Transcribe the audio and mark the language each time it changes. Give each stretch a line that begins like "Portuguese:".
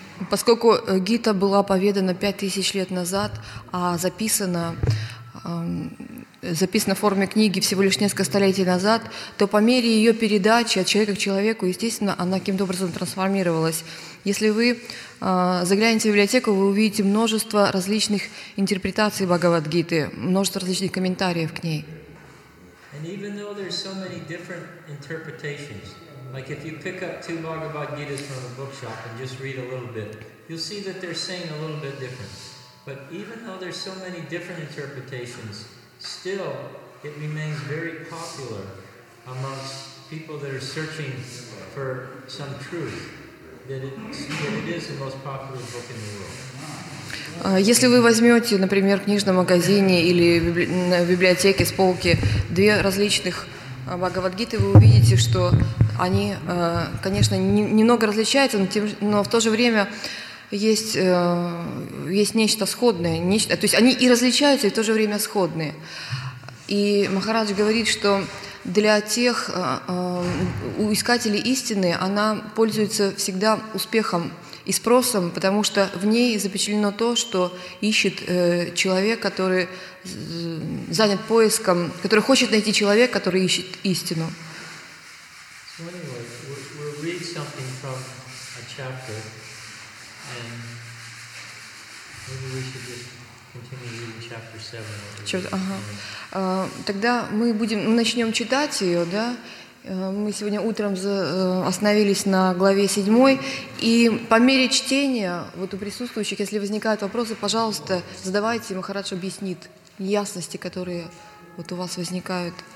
Russian: Поскольку Гита была поведана 5000 лет назад, а записана, записана в форме книги всего лишь несколько столетий назад, то по мере ее передачи от человека к человеку, естественно, она каким-то образом трансформировалась. Если вы заглянете в библиотеку, вы увидите множество различных интерпретаций Бхагавад-гиты, множество различных комментариев к ней.
English: And even though there's so many different interpretations, like if you pick up two Bhagavad Gitas from a bookshop and just read a little bit, you'll see that they're saying a little bit different. But even though there's so many different interpretations, still it remains very popular amongst people that are searching for some truth, that it is the most popular book in the world.
Russian: Если вы возьмете, например, в книжном магазине или в библиотеке с полки две различных Бхагавад-гиты, вы увидите, что они, конечно, немного различаются, но в то же время есть нечто сходное. Нечто, то есть они и различаются, и в то же время сходные. И Махарадж говорит, что для тех, у искателей истины, она пользуется всегда успехом и спросом, потому что в ней запечатлено то, что ищет человек, который занят поиском, который хочет найти человека, который ищет истину.
English: So anyway, we'll read something from a chapter, and maybe we should just continue reading chapter 7.
Russian: Тогда мы начнем читать ее, да? Мы сегодня утром остановились на главе 7, и по мере чтения, вот у присутствующих, если возникают вопросы, пожалуйста, задавайте, Махарадж объяснит ясности, которые вот у вас возникают.